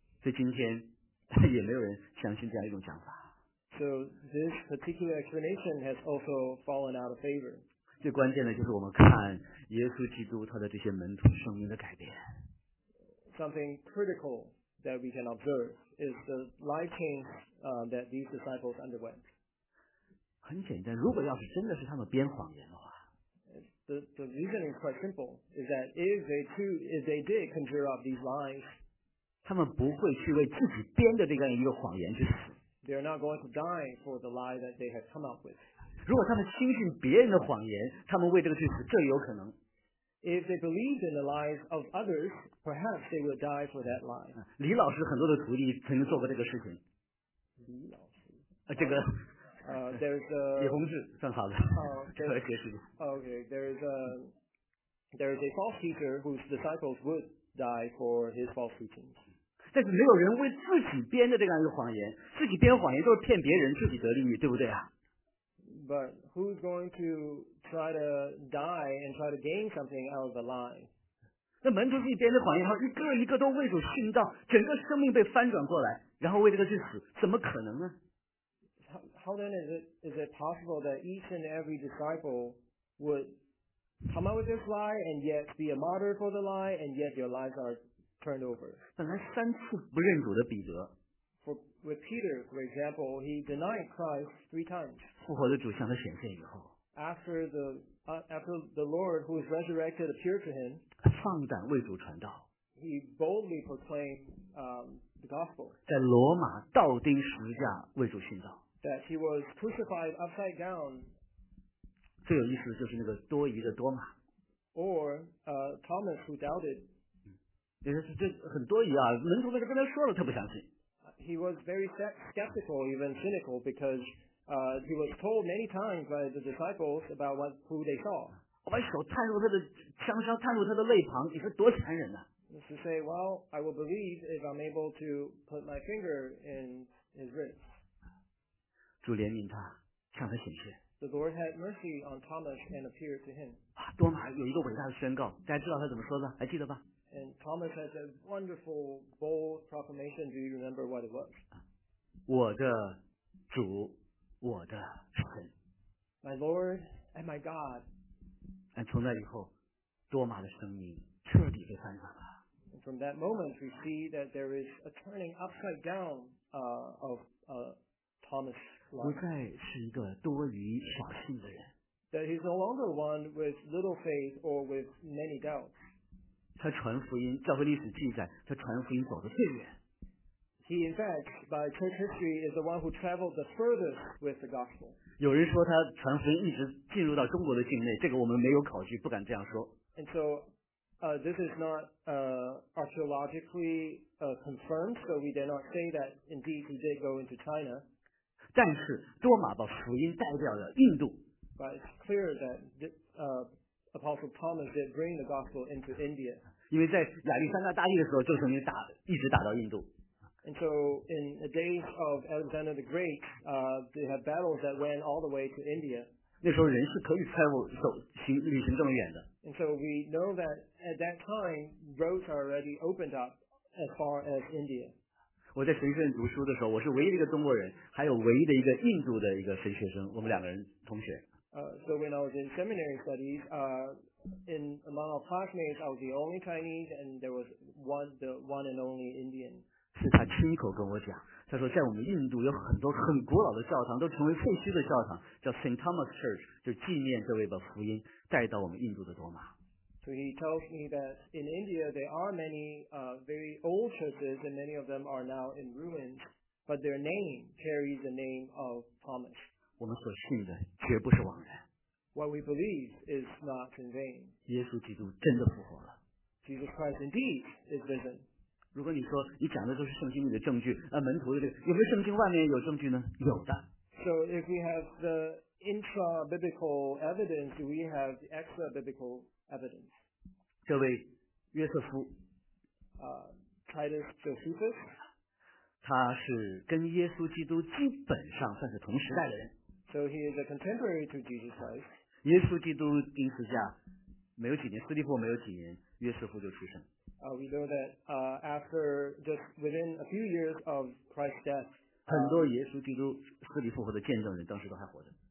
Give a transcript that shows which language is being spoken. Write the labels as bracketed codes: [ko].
[zh] 所以今天。也没有人相信这样一种讲法。 [en] So this particular explanation has also fallen out of favor. [zh] 最关键的就是我们看耶稣基督他的这些门徒生命的改变。 [en] Something critical that we can observe is the life change that these disciples underwent. [zh] 很简单，如果要是真的是他们编谎言的话。 [en] The reason is quite simple, is that if they did conjure up these lies, [zh] 他们不会去为自己编的这样一个谎言去死。 [en] They are not going to die for the lie that they have come up with. [zh] 如果他们轻信别人的谎言，他们为这个去死，这有可能。 [en] If they believed in the lies of others, perhaps they would die for that lie. [zh] 李老师很多的徒弟曾经做过这个事情。李老师，这个。 [en] There's a [zh] 李洪志算好的，这个解释。 [en] Okay, there is a false teacher whose disciples would die for his false teachings. [zh] 但是没有人为自己编的这样一个谎言，自己编谎言都是骗别人，自己得利益，对不对啊？ [en] But who's going to try to die and try to gain something out of the lie? [zh] 那门徒自己编的谎言，然后一个一个都为主殉道，整个生命被翻转过来，然后为这个去死，怎么可能呢？ [en] How then is it possible that each and every disciple would come out with this lie and yet be a martyr for the lie and yet their lives are turned over? [zh] 本来三次不认主的彼得 [en] with Peter, for example, he denied Christ three times. [zh] 复活的主向他显现以后 [en] after the Lord who was resurrected appeared to him, [zh] 放胆为主传道 [en] he boldly proclaimed the gospel. [zh] 在罗马倒钉十字架为主殉道 [en] That he was crucified upside down. [zh] 最有意思的就是那个多疑的多马。 [en] Or Thomas who doubted. [zh] 这很多疑啊，门徒跟他说了他不相信。 [en] He was very skeptical, even cynical, because he was told many times by the disciples about who they saw. [zh] 我把手探入他的枪伤，探入他的肋旁，你说多残忍啊！ [en] Just to say, well, I will believe if I'm able to put my finger in his wrist. [zh] 主怜悯他，向他显现。 [en] The Lord had mercy on Thomas and appeared to him. [zh] 啊，多马有一个伟大的宣告，大家知道他怎么说的？还记得吧 [en] ？And Thomas has a wonderful, bold proclamation. Do you remember what it was? [zh] 我的主，我的神。 [en] My Lord and my God. [zh] 从那以后，多马的生命彻底被翻转了。 [en] From that moment, we see that there is a turning upside down, of Thomas. [zh] 不再是一个多余小信的人。 [en] That he's no longer one with little faith or with many doubts. [zh] 他传福音，教会历史记载，他传福音走得最远。 [en] He in fact, by church history, is the one who traveled the furthest with the gospel. [zh] 有人说他传福音一直进入到中国的境内，这个我们没有考据，不敢这样说。 [en] And so, this is not archaeologically confirmed, so we dare not say that indeed he did go into China. [zh] 但是多马把福音带掉了印度。 [en] But it's clear that Apostle Thomas did bring the gospel into India. [zh] 因为在亚历山大大帝的时候，就曾经一直打到印度。 [en] And so in the days of Alexander the Great, they had battles that went all the way to India. [zh] 那时候人是可以 travel 旅行这么远的。 [en] And so we know that at that time roads are already opened up as far as India. [zh] 我在神学院读书的时候，我是唯一的一个中国人，还有唯一的一个印度的一个神学生，我们两个人同学。 [en] So when I was in seminary studies, in among our classmates, I was the only Chinese, and there was the one and only Indian. [zh] 是他亲口跟我讲，他说在我们印度有很多很古老的教堂都成为废墟的教堂，叫 Saint Thomas Church, 就纪念这位把福音带到我们印度的多马。 [en] So he tells me that in India there are many very old churches and many of them are now in ruins, but their name carries the name of Thomas. [zh] 我们所信的绝不是枉然。 [en] What we believe is not in vain. [zh] 耶稣基督真的复活了。 [en] Jesus Christ indeed is risen. [zh] 如果你说你讲的都是圣经里的证据，门徒的这个有没有圣经外面有证据呢？有的。 [en] So if we have the intra-biblical evidence, do we have the extra-biblical evidence? [zh] 这位约瑟夫 [en] Titus Josephus [zh] 他是跟耶稣基督基本上算是同时代的人。 [en] So he is a contemporary to Jesus Christ. [zh] 耶稣基督钉十字架没有几年，斯蒂夫没有几年，约瑟夫就出生。 [en] We know that after just within a few years of Christ's death, [zh] 很多耶稣基督死里复活的见证人当时都还活着。